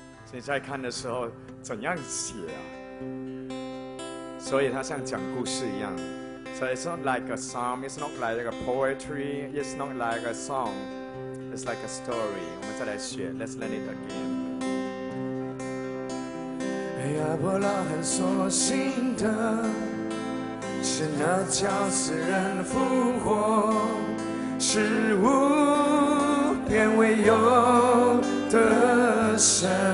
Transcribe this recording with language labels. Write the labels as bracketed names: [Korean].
[Chinese] 你在看的时候怎样写啊？所以他像讲故事一样。 [English] So it's not like a psalm, it's not like a poetry, it's not like a song, it's like a story. [Chinese] 我们再来学 ， [English] Let's learn it again。 [Chinese] 亚伯拉罕所信的是那叫死人复活，是无变为有的神。